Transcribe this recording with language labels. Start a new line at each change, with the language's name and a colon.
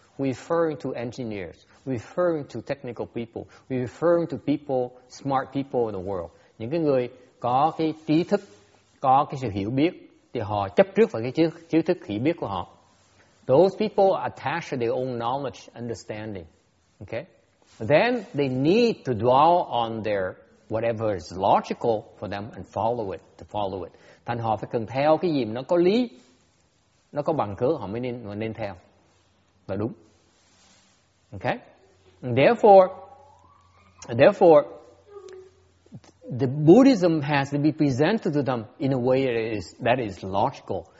English: Referring to engineers, referring to technical people, referring to people, smart people in the world.
Vietnamese: Những cái người có cái trí thức, có cái sự hiểu biết, thì họ chấp trước vào cái trí thức hiểu biết của họ.
English: Those people attach their own knowledge, understanding. Okay? Then they need to dwell on their whatever is logical for them and follow it.
Vietnamese: Thành họ phải cần theo cái gì mà nó có lý. Nó có bằng cớ họ mới nên theo. Và đúng. Okay?
English: And therefore the Buddhism has to be presented to them in a way that is logical.